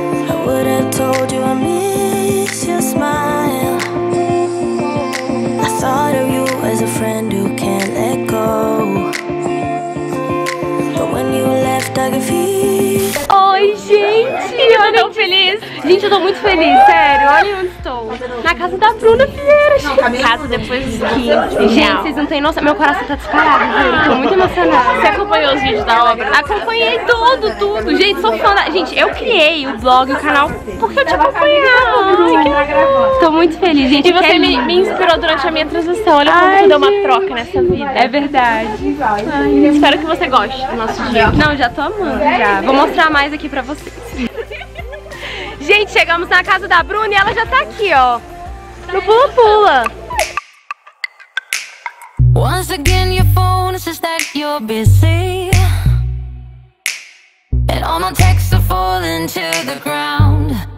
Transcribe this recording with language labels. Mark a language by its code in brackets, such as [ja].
[en] I would have told you I miss your smile. I thought of you as a friend who can't let go. But when you left, I could feel. [pt] Oi, gente! Eu tô tão feliz! Gente, eu tô muito feliz, sério. Olha onde estou. Na casa da Bruna Vieira, gente. Na casa depois dos 15. Gente, vocês não têm noção. Meu coração tá disparado, gente. Tô muito emocionada. Você acompanhou os vídeos da obra? Acompanhei tudo. Gente, sou fã da... Gente, eu criei o blog e o canal porque eu te acompanhava. Tô muito feliz, gente. E você me inspirou durante a minha transição. Olha como tudo deu uma troca nessa vida. É verdade. Ai, espero que você goste do nosso dia. Não, já tô amando, já. Vou mostrar mais aqui pra vocês. Gente, chegamos na casa da Bruna e ela já tá aqui, ó. No pula-pula. [en] Once again your phone says that you're busy. And all my texts are falling to the ground.